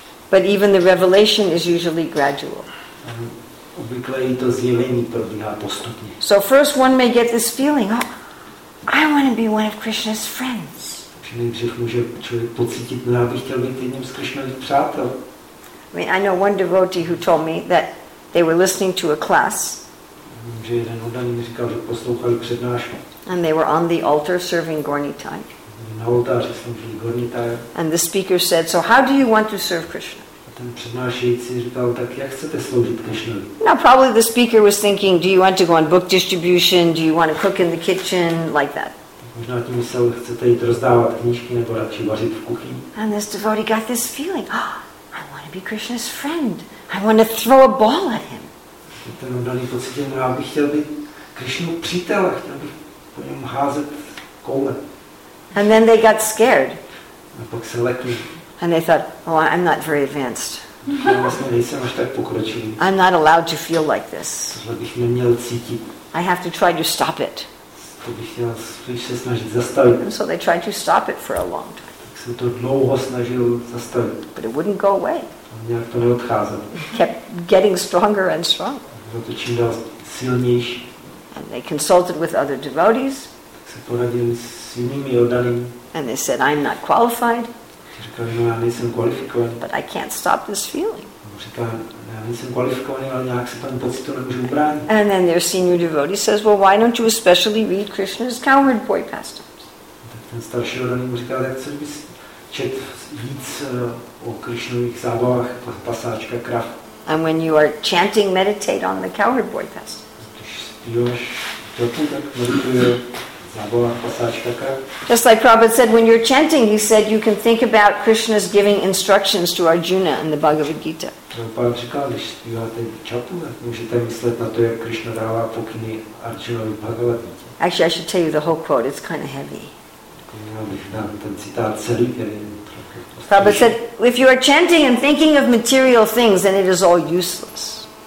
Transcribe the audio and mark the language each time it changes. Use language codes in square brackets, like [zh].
[en] But even the revelation is usually gradual. [cs] Obvykle i to zjevení probíhá postupně. [en] So first one may get this feeling, oh, I want to be one of Krishna's friends. [cs] Nejdřív může člověk pocítit, no, já bych chtěl být jedním z Krishnových přátel. [en] I mean, I know one devotee who told me that they were listening to a class. [cs] Že jeden oddaný mi říkal, že poslouchali přednášku. [en] And they were on the altar serving Gornitai. [cs] Na oltáři sloužili Gornitai. [en] And the speaker said, so how do you want to serve Krishna? [cs] A ten přednášející říkal, tak jak chcete sloužit Krishnovi? [en] Now probably the speaker was thinking, do you want to go on book distribution? Do you want to cook in the kitchen? Like that. [cs] Možná tím myslel, chcete jít rozdávat knížky nebo radši vařit v kuchyni. [en] And this devotee got this feeling, oh, I want to be Krishna's friend. I want to throw a ball at him. [cs] Ten oddaný pocitil, no já bych chtěl být Krishnův přítel, chtěl bych po něm házet koule. [en] And then they got scared. [cs] A pak se lekli. [en] And they thought, oh, I'm not very advanced. [cs] Já vlastně nejsem až tak pokročilý. [en] I'm not allowed to feel like this. [cs] Tohle bych neměl cítit. [en] I have to try to stop it. [cs] To bych chtěl se snažit zastavit. [en] And so they tried to stop it for a long time. [cs] Tak jsem to dlouho snažil zastavit. [en] But it wouldn't go away. [cs] Nějak to neodcházelo. [en] Kept getting stronger and stronger. [cs] Bylo to čím dál silnější. [en] And they consulted with other devotees. [cs] Tak se poradili s jinými oddanými. [en] And they said, I'm not qualified. [cs] Říkali, no, já nejsem kvalifikovaný. [en] But I can't stop this feeling. [cs] Říkali, já nejsem kvalifikovaný, ale nějak se tomu pocitu nemůžu ubránit. [en] And then their senior devotee says, well, why don't you especially read Krishna's Cowherd Boy pastimes? [cs] Tak ten starší oddaný mu říkal, jak chceš bys čet víc o Krishnových zábavách pasáčka krav. [en] And when you are chanting, meditate on the Cowherd Boy pastimes. [cs] Když zpíváš dobu, tak medituje zábavách pasáčka krav. [en] Just like Prabhupada said, when you're chanting, he said, you can think about Krishna's giving instructions to Arjuna in the Bhagavad Gita. [cs] Prabhupada říkal, když zpíváte čapu, tak můžete myslet na to, jak Krishna dává pokyny Arjunovi Bhagavad Gita. [en] Actually, I should tell you the whole quote, it's kind of heavy. Prabhupada said, if you are chanting and thinking of material things, then it is all useless.